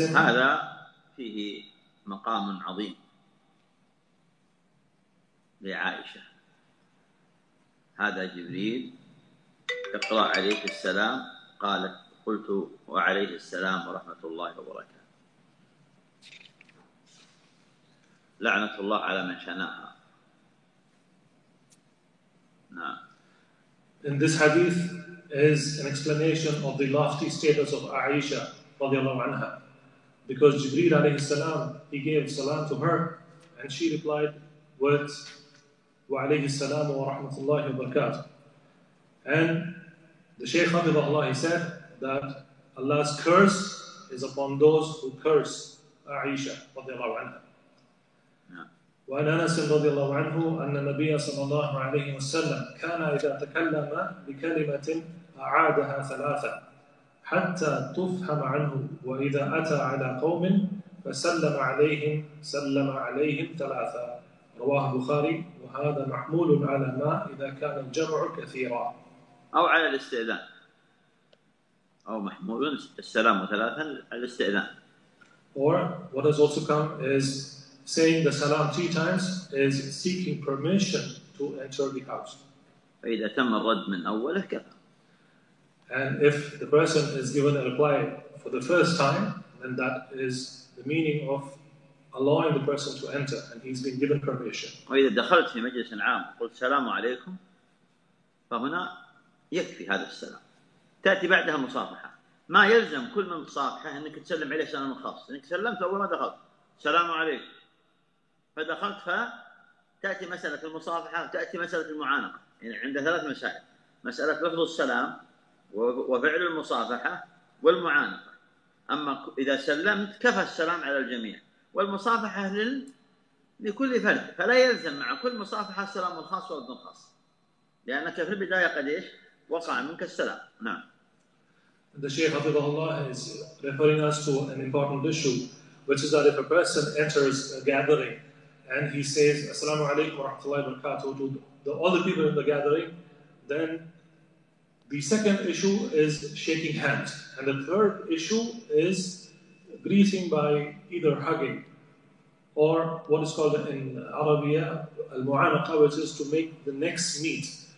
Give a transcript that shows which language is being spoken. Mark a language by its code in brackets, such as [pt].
[ar] هذا فيه مقام عظيم لعائشة هذا جبريل اقرأ عليه السلام قالت قلت وعليه السلام ورحمة الله وبركاته لعنة الله على من شنها. نعم. [en] In this hadith is an explanation of the lofty status of Aisha [ar] رضي الله عنها. [en] Because Jibreel [ar] عليه السلام [en] he gave salam to her and she replied words [ar] وعليه السلام ورحمة الله وبركاته. [en] And the Shaykh [ar] حفظه الله [en] he said that Allah's curse is upon those who curse Aisha [ar] رضي الله عنها. وعن أنس رضي الله عنه أن النبي صلى الله عليه وسلم كان إذا تكلم بكلمة أعادها ثلاثة حتى تفهم عنه وإذا أتى على قوم فسلم عليهم سلم عليهم ثلاثة رواه البخاري وهذا محمول على ما إذا كان الجمع كثيرا أو على الاستئذان أو محمول السلام ثلاثة على الاستئذان [en] or what has also come is saying the salam three times is seeking permission to enter the house. [ar] فإذا تم الرد من أوله كفى. [en] And if the person is given a reply for the first time, then that is the meaning of allowing the person to enter, and he's been given permission. [ar] وإذا دخلت في مجلس عام قلت السلام عليكم، فهنا يكفي هذا السلام. تأتي بعدها مصافحة. ما يلزم كل من مصافحة أنك تسلم عليه سلام خاص. أنك سلمت أول ما دخلت. السلام عليكم. فدخلت فتأتي مسألة المصافحة وتأتي مسألة المعانقة يعني عندها ثلاث مسائل مسألة لفظ السلام وفعل المصافحة والمعانقة. أما إذا سلمت كفى السلام على الجميع والمصافحة لكل فرد فلا يلزم مع كل مصافحة السلام الخاص والرد الخاص لأنك في البداية قد إيش وقع منك السلام. نعم. [en] The Shaykh [ar] حفظه الله [en] is referring us to an important issue which is that if a person enters a gathering and he says [ar] assalamu alaikum wa rahmatullahi wa barakatuh [en] to the other people in the gathering, then the second issue is shaking hands and the third issue is greeting by either hugging or what is called in Arabia al-mu'anaqa, which is to make the next meet.